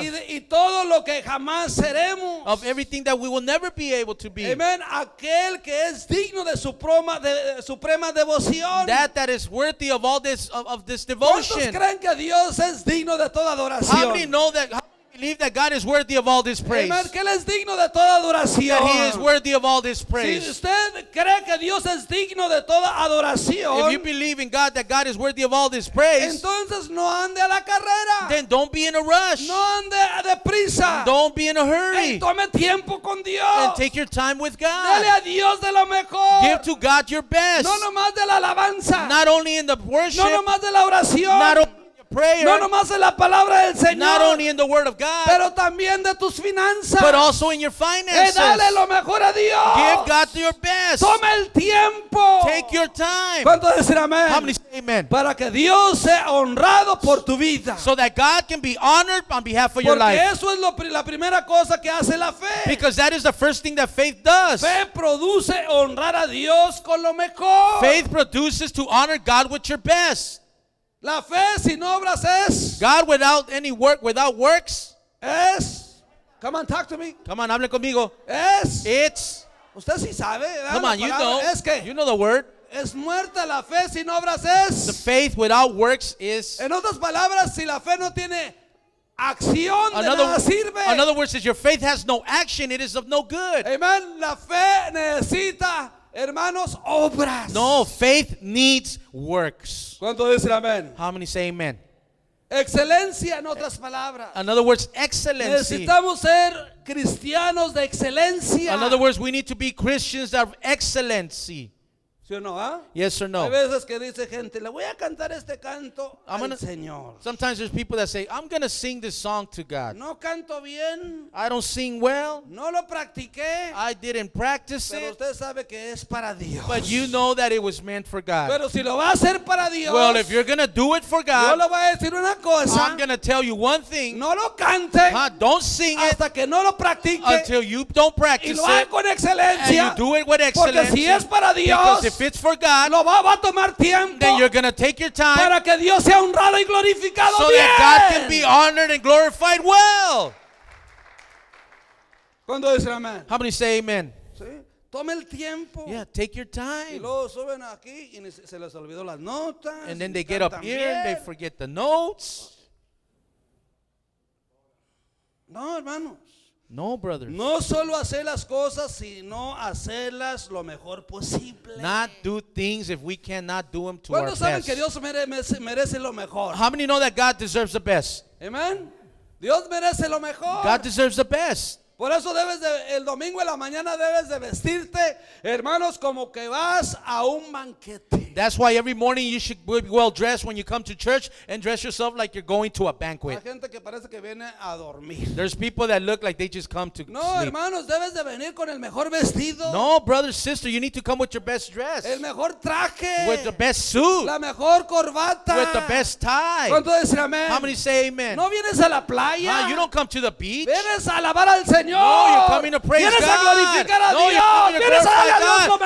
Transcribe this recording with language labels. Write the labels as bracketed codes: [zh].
[es] Y, de, y todo lo que jamás seremos. [en] Of everything that we will never be able to be. [es] Amen. Aquel que es digno de su proma, de suprema devoción. [en] That that is worthy of all this, of this devotion. [es] ¿Cuántos creen que Dios es digno de toda adoración? [en] How many know that? Believe that God is worthy of all this praise. [es] Amen. Que él es digno de toda adoración. [en] That he is worthy of all this praise. [es] Si usted cree que Dios es digno de toda adoración, [en] if you believe in God that God is worthy of all this praise, [es] entonces no ande a la carrera. [en] Then don't be in a rush. [es] No ande de prisa. [en] Don't be in a hurry. [es] Hey, tome tiempo con Dios. [en] And take your time with God. [es] Dale a Dios de lo mejor. [en] Give to God your best. [es] No nomás de la alabanza. [en] Not only in the worship. [es] No nomás de la oración. [en] Not only prayer, [es] no nomás en la palabra del Señor, [en] not only in the word of God, [es] pero también de tus finanzas, [en] but also in your finances. [es] Dale lo mejor a Dios. [en] Give God your best. [es] Toma el tiempo. [en] Take your time. [es] ¿Cuánto decir amén? [en] How many say amen? [es] Para que Dios sea honrado por tu vida. [en] So that God can be honored on behalf of [es] porque [en] your life. [es] Eso es lo, la primera cosa que hace la fe. [en] Because that is the first thing that faith does. [es] Fe produce honrar a Dios con lo mejor. [en] Faith produces to honor God with your best. [es] La fe sin obras es. [en] God without any work, without works. Es. Come on, talk to me. Come on, [es] hable conmigo. Es. [en] It's. [es] Usted sí sabe. [en] Come on, you know. [es] Es que. [en] You know the word. [es] Es muerta la fe sin obras es. [en] The faith without works is. [es] En otras palabras, si la fe no tiene acción, another, de nada sirve. [en] In other words, if your faith has no action, it is of no good. [es] Amen. La fe necesita, hermanos, obras. [en] No, faith needs works. [es] ¿Cuánto dice amén? [en] How many say amen? [es] Excelencia, en otras palabras. [en] In other words, excellency. [es] Necesitamos ser cristianos de excelencia. [en] In other words, we need to be Christians of excellency. [es] ¿Sí o no, ah? [en] Yes or no. [es] Hay veces que dice gente, le voy a cantar este canto al Señor. [en] Sometimes there's people that say, I'm going to sing this song to God. [es] No canto bien. [en] I don't sing well. [es] No lo practiqué. [en] I didn't practice [es] pero [en] it. [es] Pero usted sabe que es para Dios. [en] But you know that it was meant for God. [es] Pero si lo va a hacer para Dios. [en] Well, if you're going to do it for God. [es] Yo le voy a decir una cosa. [en] I'm going to tell you one thing. [es] No lo cante. [en] Don't sing [es] hasta [en] it. [es] Hasta que no lo practique. [en] Until you don't practice [es] y lo [en] it. [es] Y con excelencia. [en] And you do it with excellence. [es] Porque si es para Dios. [en] If it's for God, [es] lo va a tomar tiempo, [en] then you're going to take your time [es] para que Dios sea honrado y glorificado [en] so [es] bien. [en] That God can be honored and glorified well. [es] ¿Cuándo dice amén? [en] How many say amen? [es] ¿Sí? Tome el tiempo. [en] Yeah, take your time. [es] Y luego suben aquí y se les olvidó las notas. [en] And then they get up [es] también [en] here and they forget the notes. [es] No, hermano. [en] No, brothers. [es] No solo hacer las cosas, sino hacerlas lo mejor posible. [en] Not do things if we cannot do them to our best. [es] ¿Cuántos saben que Dios merece lo mejor? [en] How many know that God deserves the best? [es] Amen. Dios merece lo mejor. [en] God deserves the best. [es] Por eso debes de, el domingo en la mañana debes de vestirte, hermanos, como que vas a un banquete. [en] That's why every morning you should be well dressed when you come to church and dress yourself like you're going to a banquet. [es] Hay gente que parece que viene a dormir. [en] There's people that look like they just come to [es] no, [en] sleep. [es] No, hermanos, debes de venir con el mejor vestido. [en] No, brother, sister, you need to come with your best dress. [es] El mejor traje. [en] With the best suit. [es] La mejor corbata. [en] With the best tie. [es] ¿Cuánto decir amén? [en] How many say amen? [es] No vienes a la playa. [en] You don't come to the beach. [es] Vienes a alabar al Señor. [en] No, you're coming to praise God. [es] A glorificar a Dios.